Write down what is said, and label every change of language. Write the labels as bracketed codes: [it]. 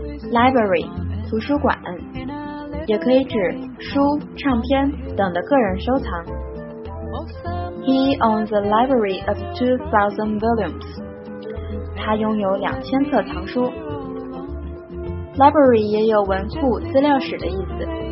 [zh] Library, 图书馆，也可以指书、唱片等的个人收藏。 [en] He owns a library of 2,000 volumes. [zh] 他拥有2000册藏书。 Library 也有文库、资料室的意思。